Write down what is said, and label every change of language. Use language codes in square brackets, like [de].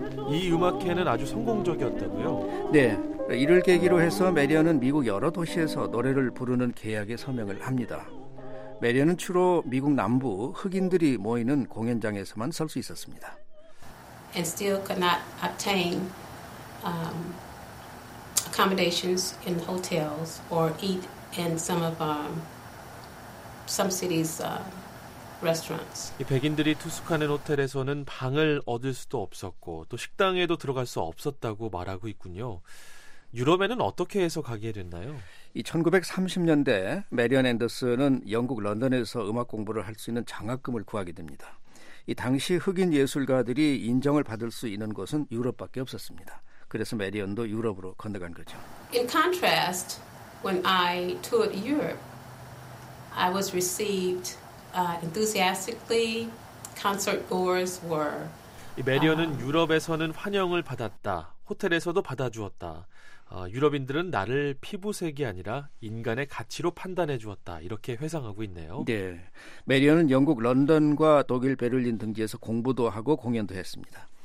[ko] 이 음악회는 아주 성공적이었다고요? 네. 이를 계기로 해서 메리언은 미국 여러 도시에서 노래를 부르는 계약에 서명을 합니다. 메리언은 주로 미국 남부 흑인들이 모이는 공연장에서만 설 수 있었습니다. [en] And still could not obtain accommodations in hotels or eat in some of some cities' restaurants. [ko] 이 백인들이 투숙하는 호텔에서는 방을 얻을 수도 없었고 또 식당에도 들어갈 수 없었다고 말하고 있군요. 유럽에는 어떻게 해서 가게 됐나요? 이 1930년대 메리언 앤더슨은 영국 런던에서 음악 공부를 할 수 있는 장학금을 구하게 됩니다. 이 당시 흑인 예술가들이 인정을 받을 수 있는 곳은 유럽밖에 없었습니다. 그래서 메리언도 유럽으로 건너간 거죠. [en] In contrast, when I toured Europe, I was received enthusiastically. Concert goers were. [ko] 이 메리언은 유럽에서는 환영을 받았다. 호텔에서도 받아주었다. 유럽인들은 나를 피부색이 아니라 인간의 가치로 판단해 주었다. 이렇게 회상하고 있네요. 네. 메리언은 영국 런던과 독일 베를린 등지에서 공부도 하고 공연도 했습니다.